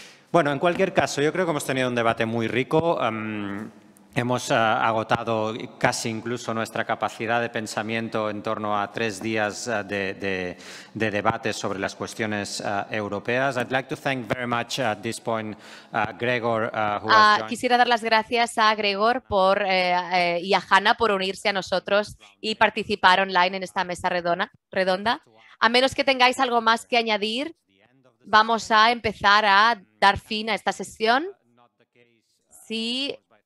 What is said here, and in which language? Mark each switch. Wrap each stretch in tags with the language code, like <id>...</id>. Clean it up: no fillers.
<es>Bueno, en cualquier caso, yo creo que hemos tenido un debate muy rico. Hemos agotado casi incluso nuestra capacidad de pensamiento en torno a 3 días de debate sobre las cuestiones europeas.</es> <en>I'd like to thank very much at this point Gregor.</en> <es>Quisiera dar las gracias a Gregor y a Hanna por unirse a nosotros y participar online en esta mesa redonda. A menos que tengáis algo más que añadir, vamos a empezar a dar fin a esta sesión. Sí.</es>